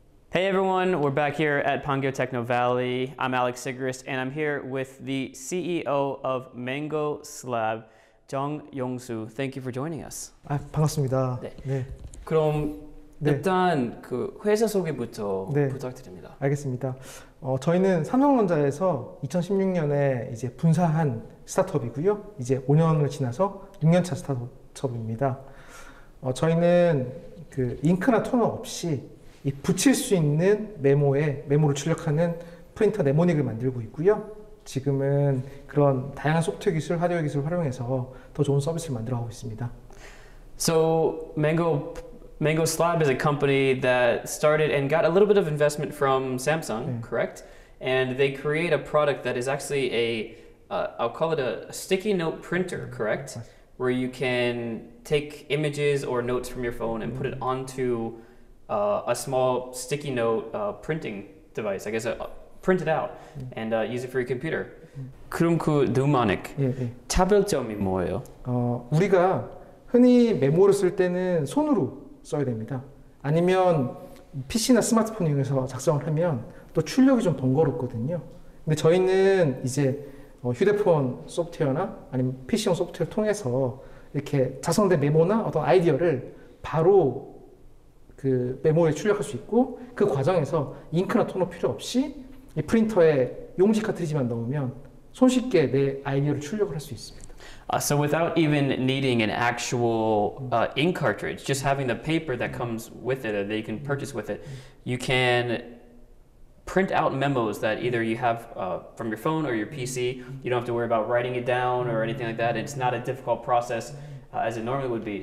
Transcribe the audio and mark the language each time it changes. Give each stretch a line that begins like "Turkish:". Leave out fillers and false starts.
English: Hey everyone, we're back here at Pangyo Technovalley. I'm Alex Sigrist and I'm here with the CEO of MANGOSLAB, Jeong, Yong-soo. Thank you for joining us.
Korean: 아, 반갑습니다. 네. 네. 그럼 네. 일단 그 회사 소개부터 네. 부탁드립니다. 알겠습니다. 저희는 삼성전자에서 2016년에 이제 분사한 스타트업이고요. 이제 5년을 지나서 6년차 스타트업입니다. 저희는 그 잉크나 토너 없이 이 붙일 수 있는 메모로 출력하는 프린터 네모닉을 만들고 있고요. 지금은 그런 다양한 소프트웨어 기술, 하드웨어 기술을 활용해서 더 좋은 서비스를 만들어 가고 있습니다.
English: So MANGOSLAB is a company that started and got a little bit of investment from Samsung, 네. correct? And they create a product that is actually I'll call it a sticky note printer, correct?
Korean: 맞아.
English: Where you can take images or notes from your phone and put it onto a small sticky note printing device, I guess, print it out and use it for your computer.
Korean: 그럼 그 Nemonic, 차별점이 뭐예요? 우리가 흔히 메모를 쓸 때는 손으로 써야 됩니다. 아니면 PC나 스마트폰 이용해서 작성을 하면 또 출력이 좀 번거롭거든요. 근데 저희는 이제 휴대폰 소프트웨어나 아니면 PC용 소프트웨어를 통해서 이렇게 작성된 메모나 어떤 아이디어를 바로 그 메모에 출력할 수 있고 그 과정에서 잉크나 토너 필요 없이 이 프린터에 용지 카트리지만 넣으면 손쉽게 내 아이디어를 출력을 할 수 있습니다.
English: So without even needing an actual ink cartridge, just having the paper that comes with it that you can purchase with it, you can print out memos that either you have from your phone or your PC. You don't have to worry about writing it down or anything like that. It's not a difficult process as it normally would be.